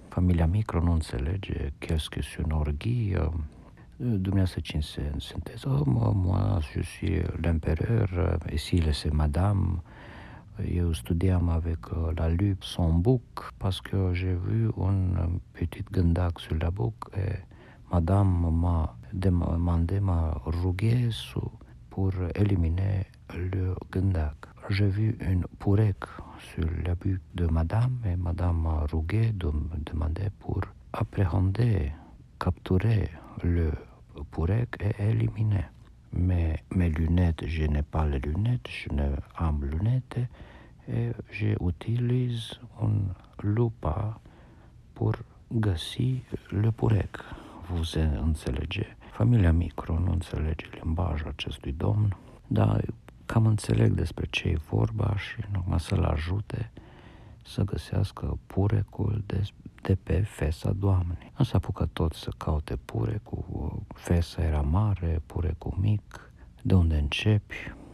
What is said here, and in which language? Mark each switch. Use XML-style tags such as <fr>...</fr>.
<ro>Familia Micro nu înțelege,</ro> <fr>qu'est-ce que c'est une orghie?</fr> <ro>Dumneavoastră cine sunteți?</ro> <fr>Oh, moi, je suis l'empereur, ici, c'est madame.</fr> <ro>Eu studiam</ro> <fr>avec la lupe son bouc, parce que j'ai vu un petit gândac sur la bouc, et madame m'a demandé, m'a rugé pour éliminer le gândac. J'ai vu un purec sur la bouc de madame, et madame m'a rugé de me demander pour appréhender, capturer le purec et éliminer. Mes lunettes, je n'ai pas les lunettes, je n'ai pas lunettes, et j'utilise une lupa pour găsi le purec. Vous înțelege?</fr> <ro>Familia Micro nu înțelege limbajul acestui domn, dar cam înțeleg despre ce e vorba și numai să-l ajute să găsească purecul de pe fesa doamnei. Însă apucă tot să caute purecul, fesa era mare, purecul mic, de unde începi?</ro>